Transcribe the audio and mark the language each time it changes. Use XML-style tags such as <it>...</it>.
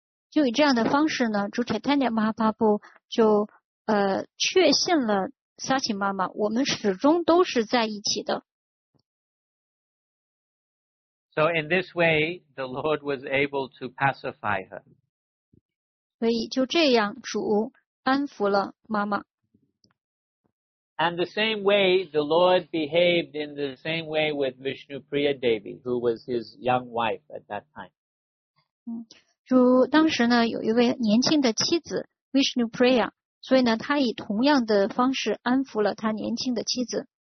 <zh>就以这样的方式呢，主 Chaitanya Mahaprabhu 就。确信了 Sachin 妈妈，我们始终都是在一起的。</zh> <en>So in this way, the Lord was able to pacify her.</en> <zh>所以就这样，主安抚了妈妈。</zh> <en>And the same way, the Lord behaved in the same way with Vishnu Priya Devi, who was his young wife at that time.</en> <zh>主当时呢，有一位年轻的妻子 Vishnu Priya。所以呢，他以同样的方式安抚了他年轻的妻子。</zh>